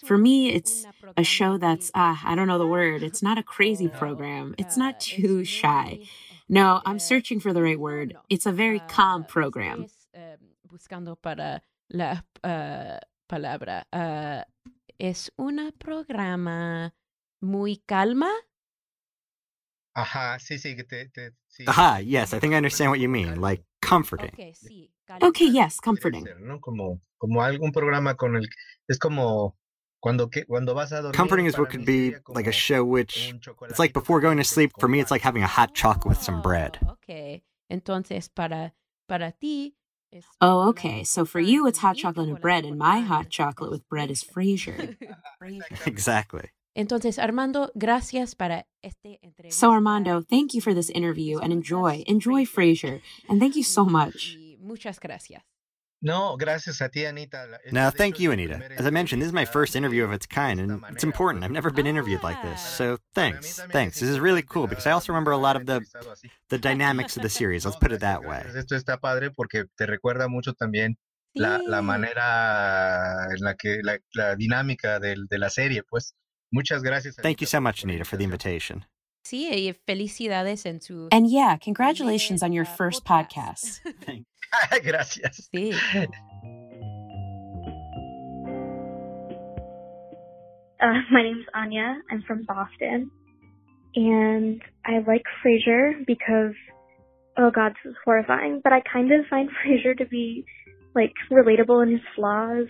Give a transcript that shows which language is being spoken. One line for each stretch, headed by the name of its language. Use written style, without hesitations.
English: For me, it's a show that's, I don't know the word. It's not a crazy program. It's not too shy. No, I'm searching for the right word. It's a very calm program.
Spanish: Buscando para... La palabra es una programa muy calma. Ajá, sí, sí, sí.
English: Ajá, yes, I think I understand what you mean, like comforting.
Spanish: Okay, sí.
English: Okay, yes, comforting.
Spanish: Como algún programa con el es como cuando vas a dormir.
English: Comforting is what could be like a show which it's like before going to sleep. For me, it's like having a hot chocolate with some bread.
Spanish: Okay, entonces para ti.
English: Oh, okay. So for you, it's hot chocolate and bread, and my hot chocolate with bread is Frasier. Exactly.
Spanish: Entonces, Armando, gracias para este entrevista.
English: So, Armando, thank you for this interview, and enjoy Frasier, and thank you so much.
Spanish: Muchas gracias. No, gracias a ti, Anita.
English: No, thank you, Anita. As I mentioned, this is my first interview of its kind, and it's important. I've never been interviewed like this, so thanks. This is really cool because I also remember a lot of the dynamics of the series. Let's put it that way.
Spanish: Esto está padre porque te recuerda mucho también la manera en la que la dinámica de la serie, pues. Muchas gracias.
English: Thank you so much, Anita, for the invitation.
Spanish: Sí, y felicidades en tu.
English: And yeah, congratulations on your first podcast. Thank you. Gracias.
Spanish: Sí.
English: My name's Anya. I'm from Boston. And I like Frasier because, oh God, this is horrifying, but I kind of find Frasier to be, like, relatable in his flaws.